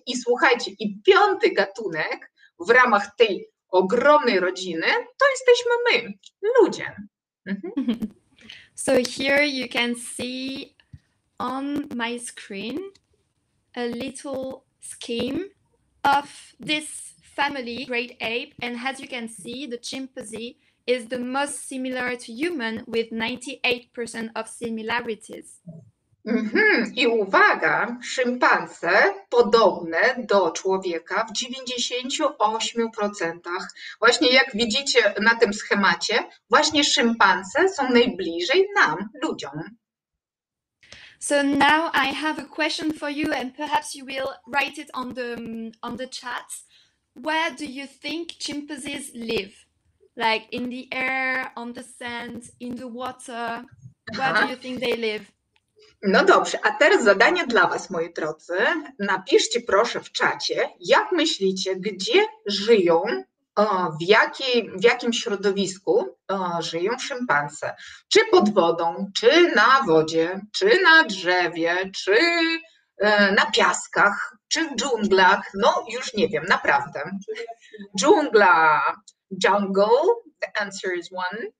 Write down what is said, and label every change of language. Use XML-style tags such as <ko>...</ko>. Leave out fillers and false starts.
<pl>I słuchajcie, i piąty gatunek w ramach tej ogromnej rodziny to jesteśmy my, ludzie.</pl> <en>So here you can see on my screen a little scheme of this family, great ape, and as you can see, the chimpanzee is the most similar to human with 98% of similarities.</en> <pl>I uwaga, szympanse podobne do człowieka w 98%. Właśnie jak widzicie na tym schemacie, właśnie szympanse są najbliżej nam, ludziom.</pl> <en>So now I have a question for you and perhaps you will write it on the chat. Where do you think chimpanzees live? Like in the air, on the sand, in the water? Where do you think they live?</en> <pl>No dobrze, a teraz zadanie dla was, moi drodzy. Napiszcie proszę w czacie, jak myślicie, gdzie żyją, w jakim środowisku żyją szympanse? Czy pod wodą, czy na wodzie, czy na drzewie, czy na piaskach, czy w dżunglach? No już nie wiem, naprawdę.</pl> <en>Dżungla, jungle, the answer is one.</en>